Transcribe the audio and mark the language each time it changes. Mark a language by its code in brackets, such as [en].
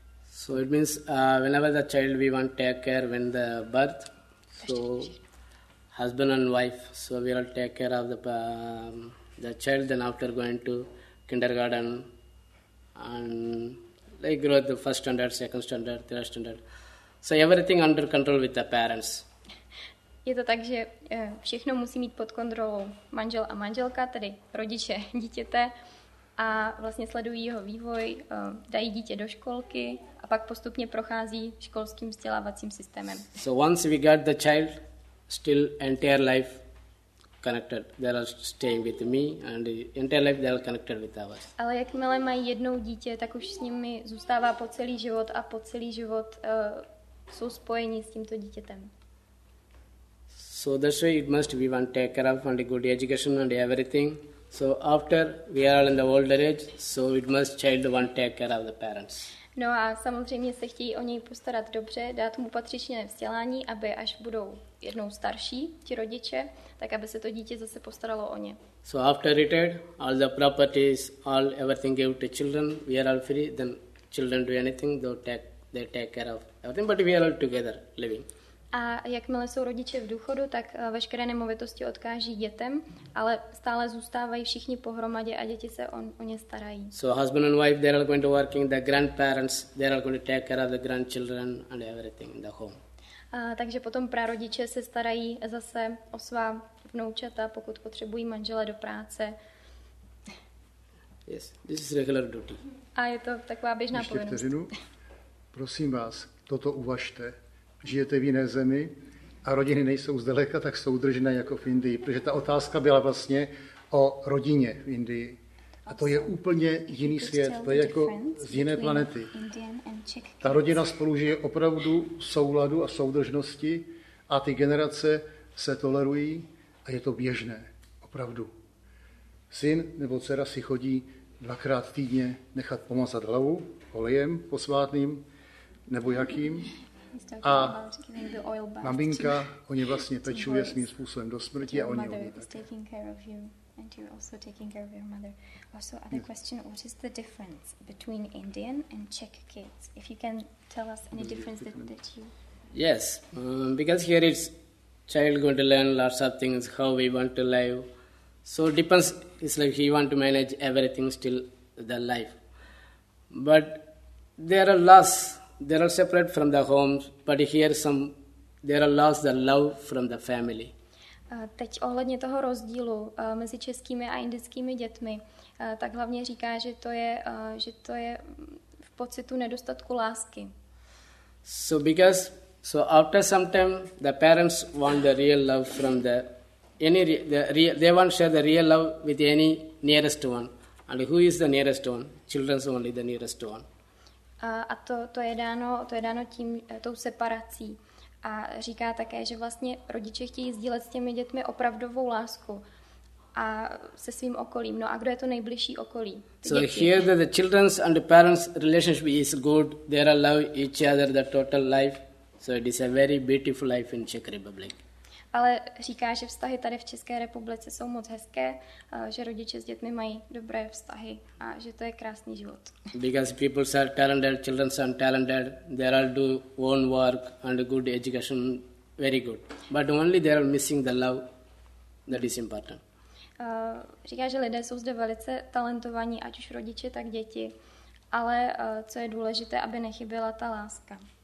[en] So it means whenever the child we want take care when the birth, So husband and wife, so we will take care of the child, then after going to kindergarten and like grow the first standard, second standard, third standard. So everything under control with the parents. [cs] Je to tak, že všechno musí mít pod kontrolou manžel a manželka, tedy rodiče dítěte, a vlastně sledují jeho vývoj, dají dítě do školky a pak postupně prochází školským vzdělávacím systémem. [en] So once we got the child, still entire life connected. They are staying with me and entire life they are connected with us. [cs] Ale jakmile mají jednou dítě, tak už s nimi zůstává po celý život a po celý život jsou spojeni s tímto dítětem. [en] So that's why it must be one take care of and a good education and everything. So after we are in the older age, so it must child one take care of the parents. [cs] No a samozřejmě se chtějí o něj postarat dobře, dát mu patřičné vzdělání, aby až budou jednou starší ti rodiče, tak aby se to dítě zase postaralo o ně. [en] So after retired, all the properties, all everything gave to children, we are all free, then children do anything, they take care of everything, but we are all together living. [cs] A jakmile jsou rodiče v důchodu, tak veškeré nemovitosti odkáží dětem, ale stále zůstávají všichni pohromadě a děti se o ně starají. [en] So husband and wife, they are going to working, the grandparents, they are going to take care of the grandchildren and everything in the home. [cs] Takže potom prarodiče se starají zase o svá vnoučata, pokud potřebují manžela do práce. [en] Yes, this is regular duty. [cs] A je to taková běžná ještě povinnost. Vteřinu. Prosím vás, toto uvažte. Žijete v jiné zemi a rodiny nejsou zdaleka tak soudržné jako v Indii, protože ta otázka byla vlastně o rodině v Indii. A to je úplně jiný svět, to je jako z jiné planety. Ta rodina spolužije opravdu souladu a soudržnosti a ty generace se tolerují a je to běžné, opravdu. Syn nebo dcera si chodí dvakrát týdně nechat pomazat hlavu olejem posvátným nebo jakým. A maminka o ně vlastně pečuje svým způsobem do smrti a oni o ně [en] And you're also taking care of your mother. Also, other question, what is the difference between Indian and Czech kids? If you can tell us any difference that you... Yes, because here it's child going to learn lots of things, how we want to live. So it depends, it's like he want to manage everything still the life. But there are laws, they are separate from the homes, but here some, there are laws, the love from the family. [cs] Teď ohledně toho rozdílu mezi českými a indickými dětmi, tak hlavně říká, že to je v pocitu nedostatku lásky. [en] So because so after some time the parents want the real love from they want to share the real love with any nearest one. And who is the nearest one? Children's only the nearest one. [cs] A to je dáno tím tou separací. A říká také, že vlastně rodiče chtějí sdílet s těmi dětmi opravdovou lásku a se svým okolím. No a kdo je to nejbližší okolí? [en] So here the children's and the parents' relationship is good. They are love each other the total life. So it is a very beautiful life in Czech Republic. [cs] Ale říká, že vztahy tady v České republice jsou moc hezké, že rodiče s dětmi mají dobré vztahy a že to je krásný život. [en] Because people are talented, children are talented, they all do own work and good education, very good. But only they are missing the love, that is important. [cs] Říká, že lidé jsou zde velice talentovaní, ať už rodiče, tak děti, ale co je důležité, aby nechyběla ta láska.